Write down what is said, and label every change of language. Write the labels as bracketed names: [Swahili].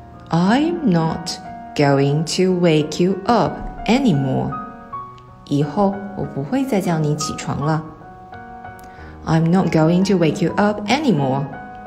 [English] I'm not going to wake you up anymore. [Chinese] 以后我不会再叫你起床了。 [English] I'm not going to wake you up anymore.